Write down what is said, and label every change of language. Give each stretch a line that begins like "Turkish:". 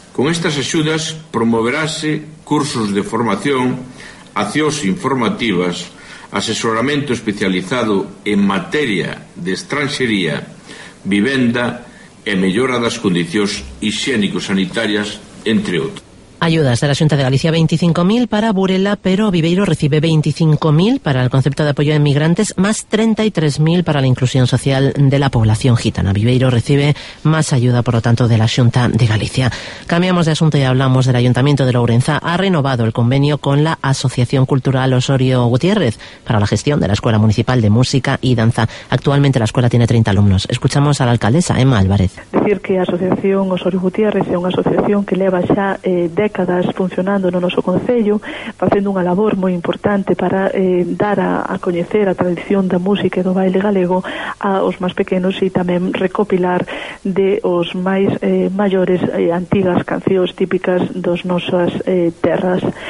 Galician: Con estas axudas promoverase cursos de formación, accións informativas, asesoramento especializado en materia de estranxería, vivenda e mellora das condicións higiénico-sanitarias, entre outros.
Spanish: Ayudas de la Xunta de Galicia, 25.000 para Burela, pero Viveiro recibe 25.000 para el concepto de apoyo a inmigrantes, más 33.000 para la inclusión social de la población gitana. Viveiro recibe más ayuda, por lo tanto, de la Xunta de Galicia. Cambiamos de asunto y hablamos del Ayuntamiento de Lourenzá. Ha renovado el convenio con la Asociación Cultural Osorio Gutiérrez para la gestión de la Escuela Municipal de Música y Danza. Actualmente la escuela tiene 30 alumnos. Escuchamos a la alcaldesa, Emma Álvarez. Decir que Asociación Osorio Gutiérrez es una asociación que
Galician: leva ya décadas funcionando no noso concello, facendo unha labor moi importante para dar a coñecer a tradición da música e do baile galego aos máis pequenos e tamén recopilar de os máis maiores antigas cancións típicas dos nosas terras.